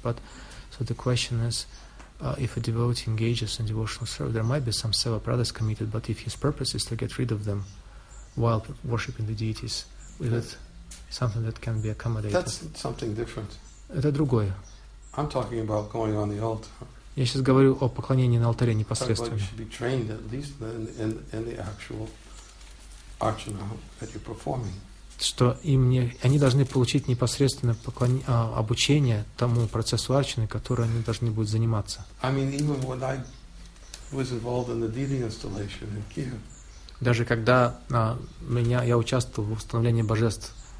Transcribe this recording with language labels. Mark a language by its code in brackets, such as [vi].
[en] But so the question is, if a devotee engages in devotional service, there might be some seva pradas committed, but if his purpose is to get rid of them while worshipping the deities, is it something that can be accommodated? That's something different. [ru] Это другое. [en] I'm talking about going on the altar. [ru] Я сейчас говорю о поклонении на алтаре непосредственно. [en] Should be trained at least in the actual archana that you're performing. [ru] Что им не, они должны получить непосредственно обучение тому процессу арчаны, который они должны будут заниматься. [en] I mean, even when I was involved in the deity installation in Kiev. [ru] Даже когда я участвовал в установлении божеств